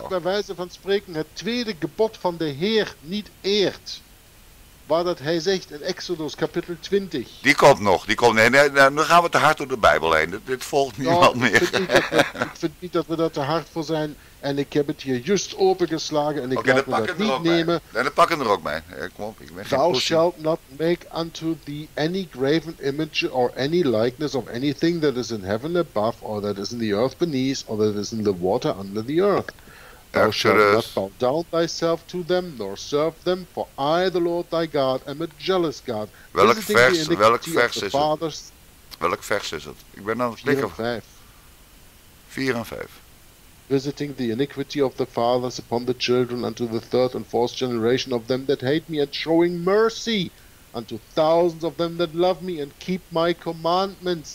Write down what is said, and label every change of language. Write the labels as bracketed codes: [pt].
[nl] Als je bij wijze van spreken het tweede gebod van de Heer niet eert, waar dat hij zegt in Exodus kapitel 20... Die komt nog. Nee, dan gaan we te hard door de Bijbel heen. Dit volgt niemand meer. Ik vind niet dat we daar te hard voor zijn... En ik heb het hier juist opengeslagen en ik kan het niet nemen. En dan pakken er ook mee. Ja, kom op, ik ben [en] thou shalt not make unto thee any graven image or any likeness of anything that is in heaven above, or that is in the earth beneath, or that is in the water under the earth. Thou shalt not bow down thyself to them, nor serve them, for I, the Lord thy God, am a jealous God. [nl] Welk vers is het? Ik ben aan het klikken. 4 en 5. 4 en 5. [en] visiting the iniquity of the fathers upon the children unto the third and fourth generation of them that hate me, and showing mercy unto thousands of them that love me and keep my commandments.